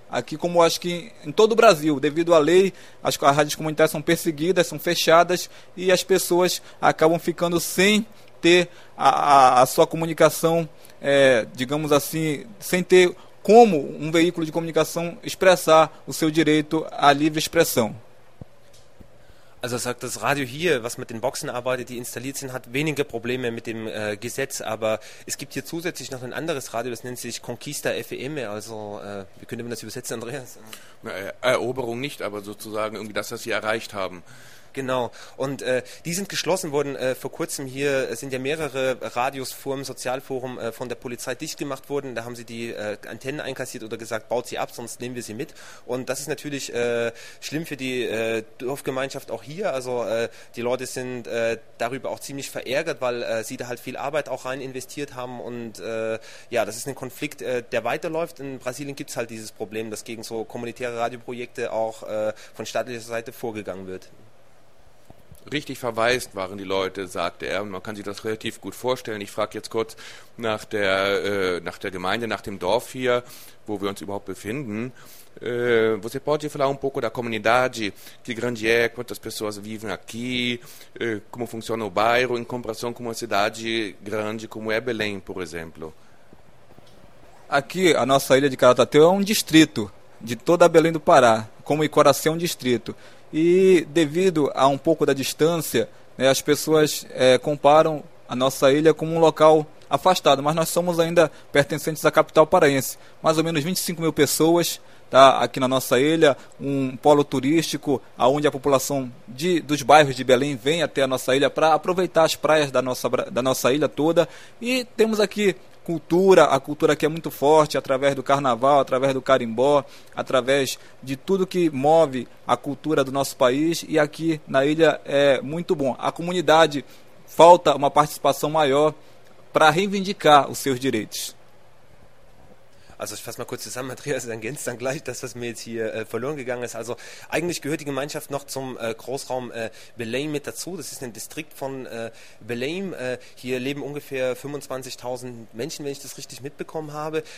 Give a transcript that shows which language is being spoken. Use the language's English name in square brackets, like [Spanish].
[Portuguese] Aqui, como acho que em todo o Brasil, devido à lei, as rádios comunitárias são perseguidas, são fechadas, e as pessoas acabam ficando sem ter a sua comunicação, digamos assim, sem ter como um veículo de comunicação expressar o seu direito à livre expressão. [German] Also sagt das Radio hier, was mit den Boxen arbeitet, die installiert sind, hat wenige Probleme mit dem Gesetz, aber es gibt hier zusätzlich noch ein anderes Radio, das nennt sich Conquista FM, also wie könnte man das übersetzen, Andreas? Eroberung nicht, aber sozusagen irgendwie das, was sie erreicht haben. Genau, und die sind geschlossen worden vor kurzem hier, sind ja mehrere Radios vor dem Sozialforum von der Polizei dicht gemacht worden, da haben sie die Antennen einkassiert oder gesagt, baut sie ab, sonst nehmen wir sie mit, und das ist natürlich schlimm für die Dorfgemeinschaft auch hier, also die Leute sind darüber auch ziemlich verärgert, weil sie da halt viel Arbeit auch rein investiert haben, und ja, das ist ein Konflikt, der weiterläuft. In Brasilien gibt es halt dieses Problem, dass gegen so kommunitäre Radioprojekte auch von staatlicher Seite vorgegangen wird. Richtig verwaist waren die Leute, sagte er. Man kann sich das relativ gut vorstellen. Ich frage jetzt kurz nach der Gemeinde, nach dem Dorf hier, wo wir uns überhaupt befinden. [Portuguese] Você pode falar pouco da comunidade, que grande é, quantas pessoas vivem aqui, como funciona o bairro em comparação com uma cidade grande como é Belém, por exemplo? Aqui, a nossa ilha de Caratatuba é um distrito de toda Belém do Pará, como Icoracé é um distrito. E devido a um pouco da distância, né, as pessoas comparam a nossa ilha como um local afastado, mas nós somos ainda pertencentes à capital paraense. Mais ou menos 25 mil pessoas, tá, aqui na nossa ilha, um polo turístico onde a população dos bairros de Belém vem até a nossa ilha para aproveitar as praias da nossa ilha toda. E temos aqui a cultura que é muito forte através do carnaval, através do carimbó, através de tudo que move a cultura do nosso país, e aqui na ilha é muito bom. A comunidade falta uma participação maior para reivindicar os seus direitos. [German] Also ich fasse mal kurz zusammen, Andreas, dann ergänzt dann gleich das, was mir jetzt hier verloren gegangen ist. Also eigentlich gehört die Gemeinschaft noch zum Großraum Belém mit dazu. Das ist ein Distrikt von Belém. Hier leben ungefähr 25.000 Menschen, wenn ich das richtig mitbekommen habe.